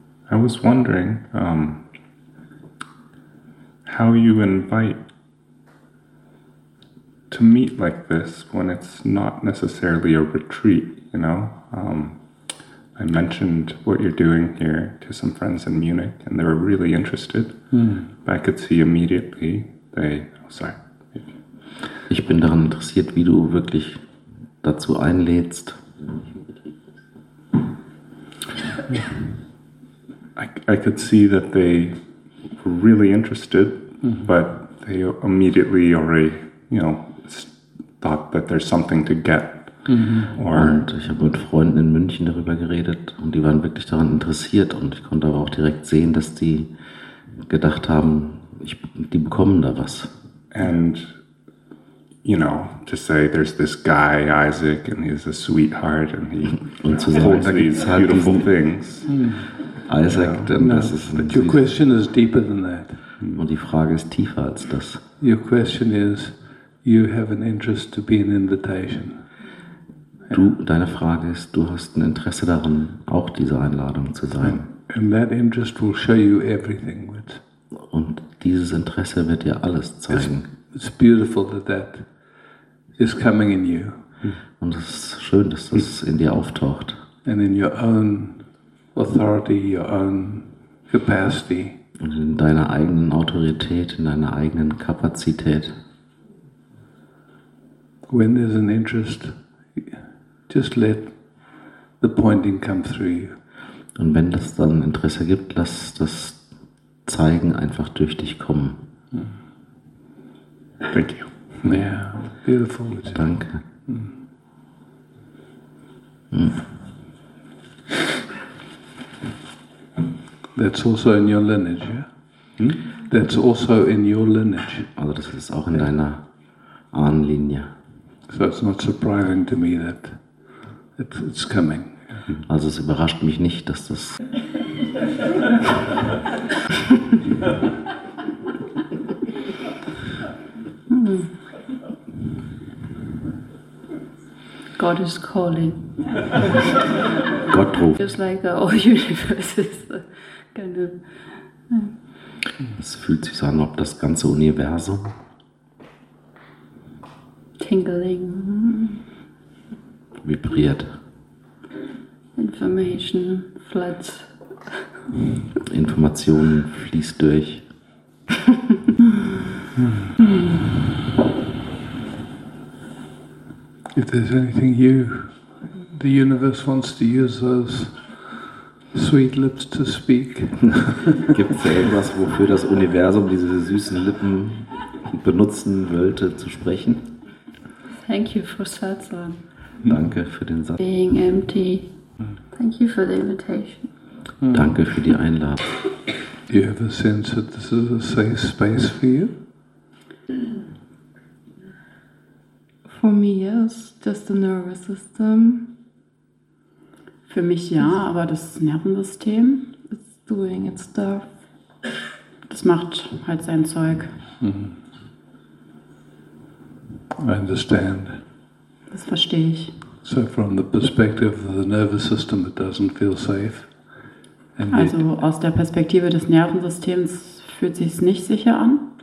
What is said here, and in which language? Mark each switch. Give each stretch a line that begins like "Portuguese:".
English: I was wondering how you invite to meet like this when it's not necessarily a retreat, you know? I mentioned what you're doing here to some friends in Munich, and they were really interested. Mm. But I could see immediately they... Oh, sorry.
German: Ich bin daran interessiert, wie du wirklich dazu einlädst.
English: I could see that they were really interested, mm-hmm. but they immediately already, you know, thought that there's something to get. Mm-hmm. Or,
German: und ich habe mit Freunden in München darüber geredet und die waren wirklich daran interessiert und ich konnte aber auch direkt sehen, dass die gedacht haben, die bekommen da was.
English: And you know, to say there's this guy, Isaac, and he's a sweetheart, and he holds these beautiful things. Isaac, you know, then this is... Your question is deeper than that.
German: Und die Frage ist tiefer als das.
English: Your question is, you have an interest to be an invitation.
German: Du, deine Frage ist, du hast ein Interesse daran, auch diese Einladung zu sein.
English: And that interest will show you everything.
German: Und dieses Interesse wird dir alles zeigen.
English: It's beautiful that that is coming in you.
German: Und es ist schön, dass das in dir auftaucht.
English: And in your own authority, your own capacity.
German: Und in deiner eigenen Autorität, in deiner eigenen Kapazität.
English: When there's an interest, just let the pointing come through you.
German: Und wenn es dann Interesse gibt, lass das Zeigen einfach durch dich kommen.
English: Thank you. Yeah, beautiful. Richard.
German: Danke.
English: That's also in your lineage, yeah? That's also in your lineage.
German: Also das ist auch in deiner Ahnenlinie.
English: So it's not surprising to me that it's coming.
German: Also es überrascht mich nicht, dass das...
English: God is calling.
German: Gott ruft.
English: Just like the whole universe is kind of.
German: Es fühlt sich so an, ob das ganze Universum
English: tingling
German: vibriert.
English: Information floods.
German: Informationen fließt durch.
English: If there's anything you, the universe wants to use those sweet lips to speak.
German: Gibt es irgendwas, wofür das Universum diese süßen Lippen benutzen wollte, zu sprechen?
English: Thank you for Satsang.
German: Danke für den Satz.
English: Being empty. Thank you for the invitation.
German: Danke für die Einladung.
English: Do you have a sense that this is a safe space for you? For me, yes. Just the nervous system.
German: Für mich ja, aber das Nervensystem,
English: it's doing its stuff.
German: Das macht halt sein Zeug.
English: Mm-hmm. I understand.
German: Das verstehe ich.
English: So from the perspective of the nervous system, it doesn't feel safe. And also yet,
German: aus der Perspektive des Nervensystems fühlt sich's nicht sicher an.